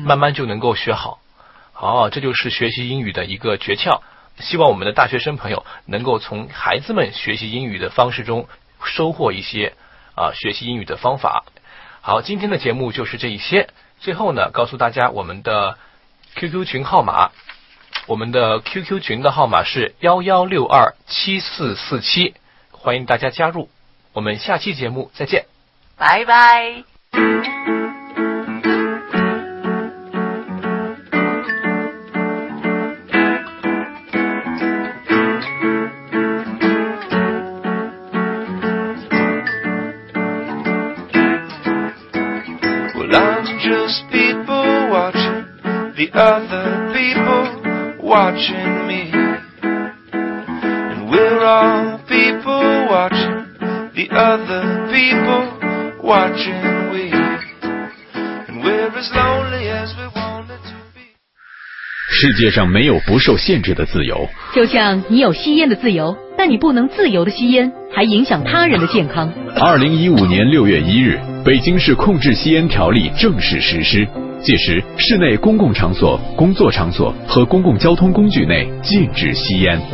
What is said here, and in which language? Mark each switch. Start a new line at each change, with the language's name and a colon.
Chinese: 慢慢就能够学好。好，这就是学习英语的一个诀窍，希望我们的大学生朋友能够从孩子们学习英语的方式中收获一些学习英语的方法。好，今天的节目就是这一些。最后呢，告诉大家我们的 QQ 群号码，我们的 QQ 群的号码是116274474，欢迎大家加入。我们下期节目再见，拜拜。
English: Well, I'm just people watching the other people. watching me. And we're all people watching the other people watching we. And we're as lonely as we wanted to be.
Chinese: 世界上没有不受限制的自由，就像你有吸烟的自由，但你不能自由的吸烟，还影响他人的健康。 2015年6月1日，北京市控制吸烟条例正式实施。届时，室内公共场所、工作场所和公共交通工具内禁止吸烟。